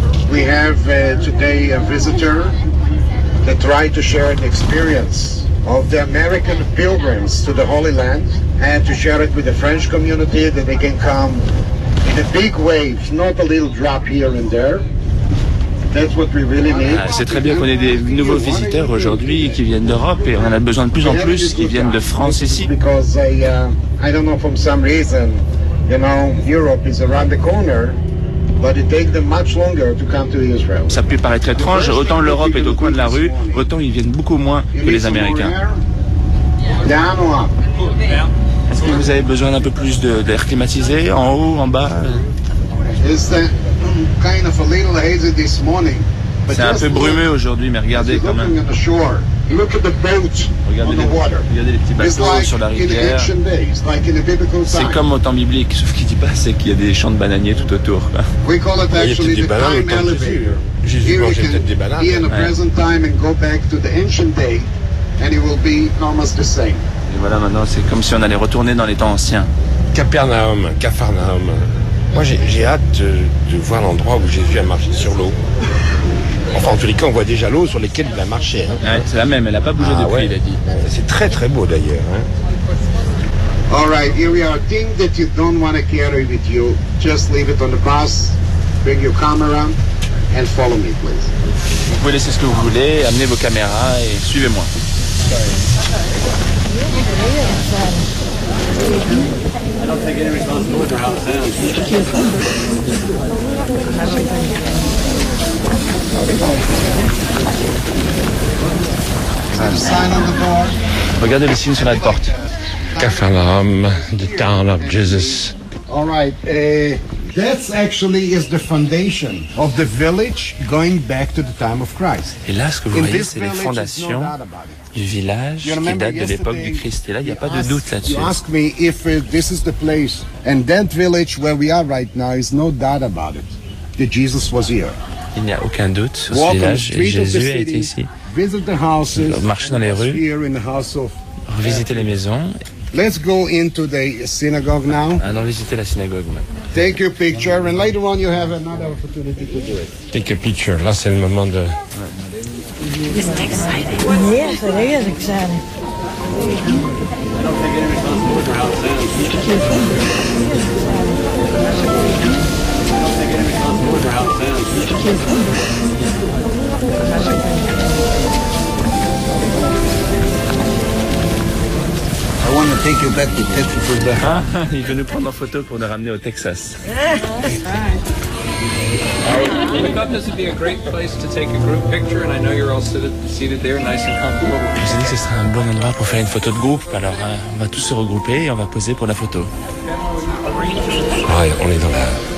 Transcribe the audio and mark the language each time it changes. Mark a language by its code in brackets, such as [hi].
[en] We have today a visitor that tried to share an experience of the American pilgrims to the Holy Land and to share it with the French community that they can come in a big wave, not a little drop here and there. That's what we really need. [fr] C'est très bien qu'on ait des nouveaux visiteurs aujourd'hui qui viennent d'Europe et on en a besoin de plus en plus qui viennent de France ici. [en] Because I don't know, for some reason, you know, Europe is around the corner. But it takes them much longer to come to Israel. [fr] Ça peut paraître étrange, autant l'Europe est au coin de la rue, autant ils viennent beaucoup moins que les Américains. [en] Down or up? [fr] Est-ce que vous avez besoin d'un peu plus d'air climatisé, en haut, en bas? C'est un peu brumeux aujourd'hui, mais regardez quand même. [en] Look at the boat on the water. [fr] Regardez les petits bateaux sur la rivière. C'est comme au temps biblique, sauf qu'il dit pas c'est qu'il y a des champs de bananiers tout autour. [en] We call it actually the prime elevator. Here you can be in the present time and go back to the ancient day, and it will be almost the same. [fr] Et voilà, maintenant c'est comme si on allait retourner dans les temps anciens. Capernaum, Capharnaüm. Moi, j'ai hâte de voir l'endroit où Jésus a marché sur l'eau. Enfin, en tous les cas, on voit déjà l'eau sur laquelle il a marché. Hein. Ouais, c'est la même, elle n'a pas bougé depuis, ouais. Il a dit. C'est très, très beau, d'ailleurs. Hein. [en] All right, here we are. Thing that you don't want to carry with you, just leave it on the bus, bring your camera, and follow me, please. [fr] Vous pouvez laisser ce que vous voulez, amenez vos caméras et suivez-moi. Regardez le signe sur la porte. [en] Capernaum, the town of Jesus. All right, that's actually is the foundation of the village going back to the time of Christ. [fr] Et là, ce que vous voyez, c'est les fondations du village qui date de l'époque du Christ. Et là, il n'y a pas de doute là-dessus. [en] You ask me if this is the place, and that village where we are right now is no doubt about it. That Jesus was here. [fr] Il n'y a aucun doute sur ce village et Jésus a été ici. Marcher dans les rues, revisiter les maisons. [en] Let's go into the synagogue now. [fr] Allons visiter la synagogue maintenant. [en] Take your picture and later on you have another opportunity to do it. Take a picture. [fr] Là c'est le moment de. [en] I want to take you back to Texas for the. [fr] Il veut nous prendre en photo pour nous ramener au Texas. Je vous ai dit que ce serait un bon endroit pour faire une photo de groupe. Alors, on va tous se regrouper et on va poser pour la photo. Ouais, on est dans la.